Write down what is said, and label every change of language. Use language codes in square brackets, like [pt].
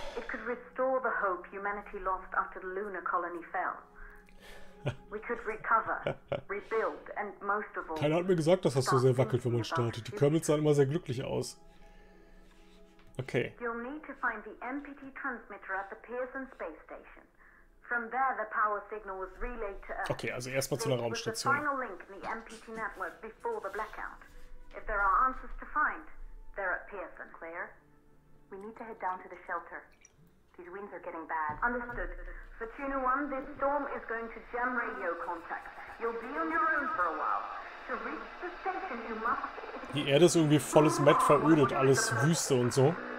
[en] It could restore the hope humanity lost after the lunar colony fell. We could recover, rebuild, and most of all, [de] keiner hat mir gesagt, dass das so sehr wackelt, wenn man startet. Die Kermits sahen immer sehr glücklich aus. Okay. [en] You'll need to find the MPT transmitter at the Pearson Space Station. From there, the power signal was relayed to Earth. [de] Okay, also erstmal zu einer Raumstation. [en] Final link in the MPT network before the blackout. If there are answers to find, they're at Pearson, Claire. We need to head down to the shelter. These winds are getting bad. Understood. Fortuna 1, this storm is going to jam radio contact. You'll be on your own for a while. To reach the station, you must... [de] Die Erde ist irgendwie volles Met verödet, alles Wüste und so.